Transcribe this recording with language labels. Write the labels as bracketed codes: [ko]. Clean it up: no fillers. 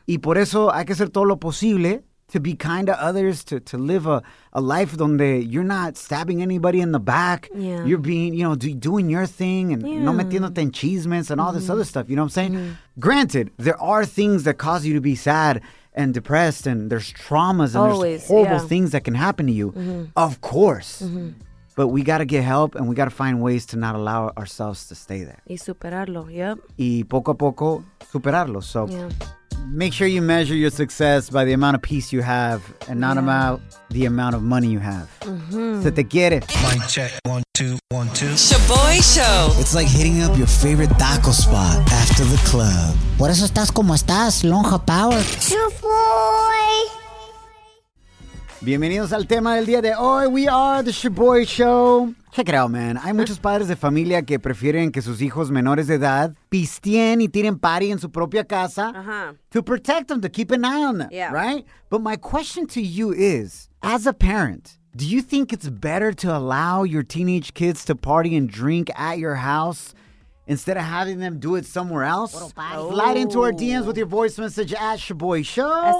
[es] Y por eso hay que hacer todo lo posible. [en] To be kind to others, to live a life donde you're not stabbing anybody in the back. Yeah. You're being, you know, doing your thing and [es] no metiéndote en chismes [en] and all this other stuff. You know what I'm saying? Mm-hmm. Granted, there are things that cause you to be sad and depressed and there's traumas and there's horrible things that can happen to you. Mm-hmm. Of course. Mm-hmm. But we got to get help and we got to find ways to not allow ourselves to stay there. [es] Y superarlo, Y poco a poco, superarlo. So. [en] Yeah. Make sure you measure your success by the amount of peace you have and not about the amount of money you have. Mm-hmm. [es] So te quiere. [en] Mic check. 1, 2, 1, 2. Sha'Boy Show. It's like hitting up your favorite taco spot after the club. [es] Por eso estás como estás, Lonja Power. [en] Sha'Boy. [es] Bienvenidos al tema del día de hoy. [en] We are the Shaboy Show. Check it out, man. [es] Hay muchos padres de familia que prefieren que sus hijos menores de edad pisteen y tiren party en su propia casa. [en] To protect them, to keep an eye on them, yeah. Right? But my question to you is, as a parent, do you think it's better to allow your teenage kids to party and drink at your house instead of having them do it somewhere else? Slide into our DMs with your voice message at Shaboy Show.